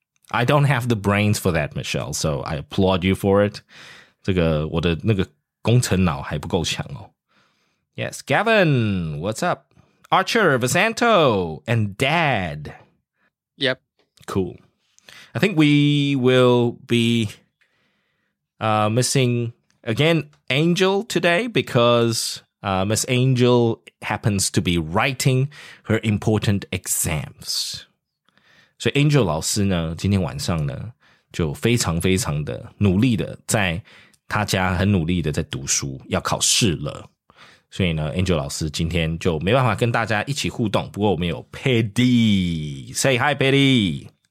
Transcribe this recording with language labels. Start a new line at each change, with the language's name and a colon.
English: I don't have the brains for that, Michelle. So I applaud you for it.
Chinese: 这个我的那个工程脑还不够强哦。
English: Yes. Gavin, what's up? Archer, Vasanto, and Dad. Yep. Cool. I think we will be missing, again, Angel today because Miss Angel happens to be writing her important exams.
Chinese: So Angel 老师呢今天晚上呢就非常非常的努力的在他家很努力的在读书要考试了。所以呢 Angel 老师今天就没办法跟大家一起互动，不过我们有 Paddy.
English: Say hi, Paddy.